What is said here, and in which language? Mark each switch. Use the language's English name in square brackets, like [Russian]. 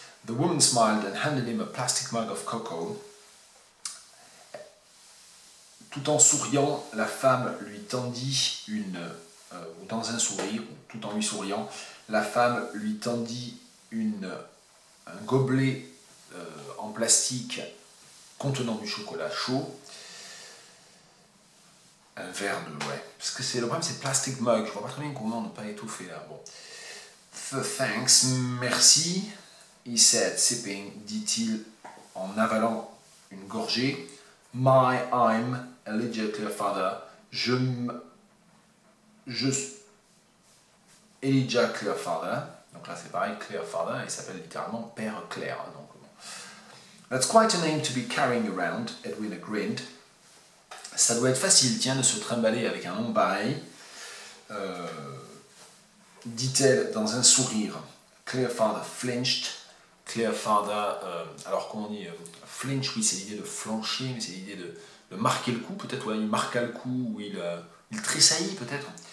[English] The woman smiled and handed him a plastic mug of cocoa. [French] Tout en souriant, la femme lui tendit une. Dans un sourire, tout en lui souriant, la femme lui tendit une, un gobelet en plastique contenant du chocolat chaud. Un verre de. Ouais. Parce que c'est, le problème, c'est plastic mug. Je vois pas très bien comment ne pas étouffer là. Bon. Thanks, merci. [English] He said, sipping, [French] dit-il en avalant une gorgée. [English] My, I'm Elijah Clearfather. Je Elijah Clearfather. [French] Donc là, c'est pareil, Clearfather, il s'appelle littéralement Père Claire. Donc, bon. [English] That's quite a name to be carrying around, Edwin grinned. [French] Ça doit être facile, tiens, de se trimballer avec un nom pareil, dit-elle dans un sourire. [English] Clearfather flinched. [French] Clearfather, alors comment on dit, flinch, oui, c'est l'idée de flancher, mais c'est l'idée de marquer le coup, peut-être, ouais, il marqua le coup, ou il tressaillit, peut-être.